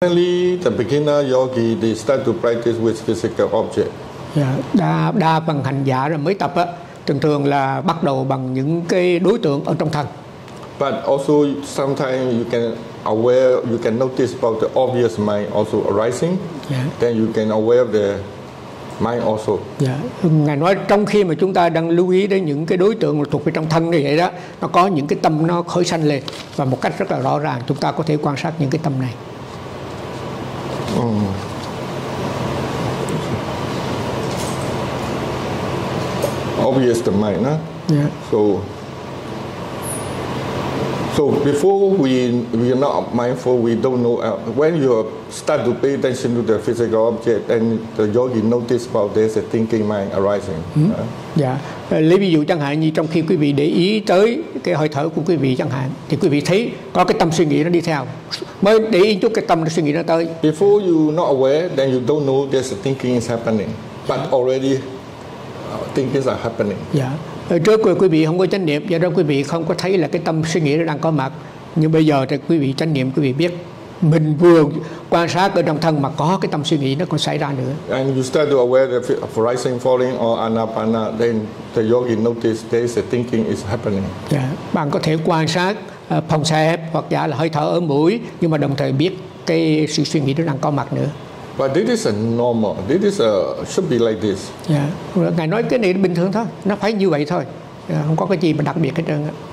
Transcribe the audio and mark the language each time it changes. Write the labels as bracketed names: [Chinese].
[English] Finally, the beginner yogi, they start to practice with physical object. [Vietnamese] Đa bằng hành giả rồi mới tập á, thường thường là bắt đầu bằng những cái đối tượng ở trong thân. [English] But also sometimes you can aware, you can notice about the obvious mind also arising. Yeah. Then you can aware the mind also. Yeah. [Vietnamese] Ngài nói trong khi mà chúng ta đang lưu ý đến những cái đối tượng thuộc về trong thân như vậy đó, nó có những cái tâm nó khởi sanh lên và một cách rất là rõ ràng chúng ta có thể quan sát những cái tâm này. [English] Obvious the mind, huh? Yeah. So before we are not mindful, we don't know. When you start to pay attention to the physical object, and the yogi notice about this, a thinking mind arising. [Vietnamese] Lấy ví dụ chẳng hạn như trong khi quý vị để ý tới cái hơi thở của quý vị chẳng hạn, thì quý vị thấy có cái tâm suy nghĩ nó đi theo. Mới để ý chút cái tâm suy nghĩ nó tới. [English] Before you not aware, then you don't know there's a thinking is happening, but already thinking are happening. [Vietnamese] Trước rồi quý vị không có chánh niệm, do đó quý vị không có thấy là cái tâm suy nghĩ nó đang có mặt. Nhưng bây giờ thì quý vị chánh niệm, quý vị biết mình vừa quan sát ở trong thân mà có cái tâm suy nghĩ nó còn xảy ra nữa. [English] And you start to aware of rising, falling or anapana, then the yogi notice there is a thinking is happening. [Vietnamese] Bạn có thể quan sát phòng xẹp hoặc giả là hơi thở ở mũi, nhưng mà đồng thời biết cái sự suy nghĩ nó đang có mặt nữa. [English] But this is a normal. This is a should be like this. [Vietnamese] Ngài nói cái này bình thường thôi, nó phải như vậy thôi. Không có cái gì mà đặc biệt hết trơn á.